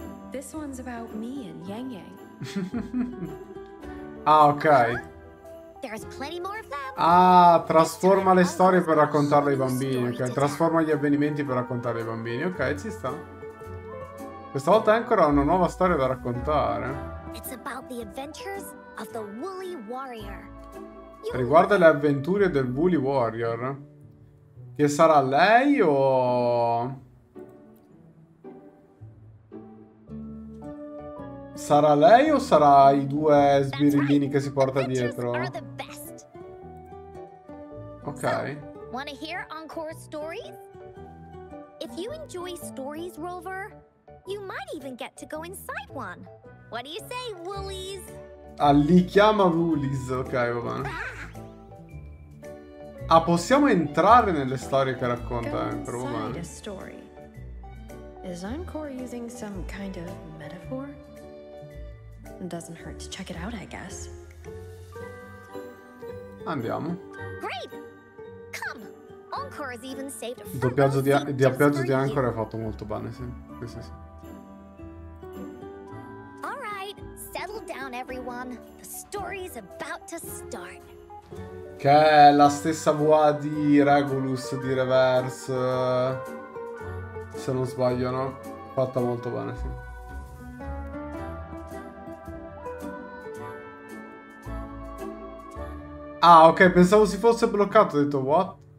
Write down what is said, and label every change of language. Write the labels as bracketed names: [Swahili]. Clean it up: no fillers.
[English] This one's about me and Yang Yang. Ah, ok. There's plenty more of them. [Italian] Ah, trasforma le storie per raccontarle ai bambini. Ok, trasforma gli avvenimenti per raccontarle ai bambini. Ok, ci sta. Questa volta ancora ho una nuova storia da raccontare. [English] It's about the adventures of the Woolly Warrior. [Italian] Riguarda le avventure del Woolly Warrior. Che sarà lei o... Sarà lei o sarà i due sbirillini che si porta dietro? Ok. [English] Wanna hear Encore stories? If you enjoy stories, Rover, you might even get to go inside one. What do you say, Woolies? [Italian] Ah, li chiama Woolies, ok, vabbè. Ah, possiamo entrare nelle storie che racconta, prova. [English] Is Encore using some kind of metaphor? Doesn't hurt to check it out, I guess. [Italian] Andiamo. [English] Great! Come! Encore has even saved a [Italian] doppiaggio di Encore è fatto molto bene, sì. Sì, sì. [English] Alright, settle down, everyone. The story's about to start. [Italian] Che è la stessa VA di Regulus di Reverse, se non sbaglio, no? Fatta molto bene, sì. Ah, ok, pensavo si fosse bloccato, ho detto what?